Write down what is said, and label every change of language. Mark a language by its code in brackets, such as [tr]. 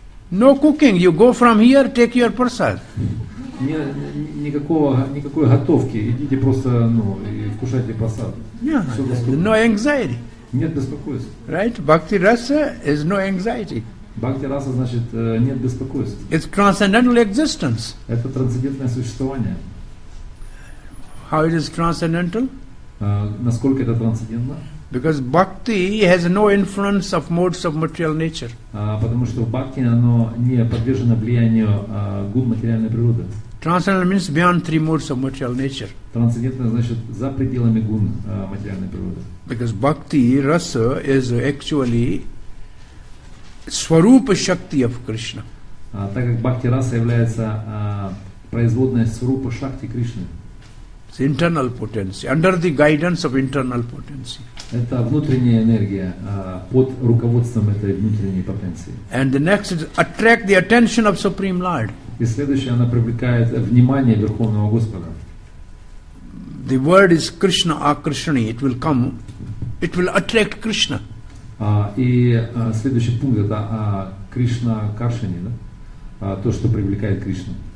[en] No cooking, you go from here, take your prasad. [ru] Никакой готовки, идите просто, и вкушайте прасад. [en] Yeah, no anxiety. [ru] Нет беспокойств. [en] Right, bhakti rasa is no anxiety. [ru] Bhakti rasa значит нет беспокойств. [en] It's transcendental existence. [ru] Это трансцендентное существование. [en] How it is transcendental? [ru] Насколько это трансцендентно? [en] Because bhakti has no influence of modes of material nature. [ru] Потому что в бхакти оно не подвержено влиянию гун материальной природы. [en] Transcendental means beyond three modes of material nature. [ru] Трансцендентное значит за пределами гун материальной природы. [en] Because bhakti rasa is actually swarupa shakti of Krishna. [ru] Так как bhakti rasa является производной swarupa shakti Krishna. [en] It's internal potency under the guidance of internal potency. [ru] Это внутренняя энергия под руководством этой внутренней потенции. [en] And the next is attract the attention of Supreme Lord. [ru] И следующее, она привлекает внимание Верховного Господа. [en] The word is Krishna Akrishani. It will come. It will attract Krishna. [ru] Следующий пункт это Krishna Akrishani, да? То, что привлекает Кришну.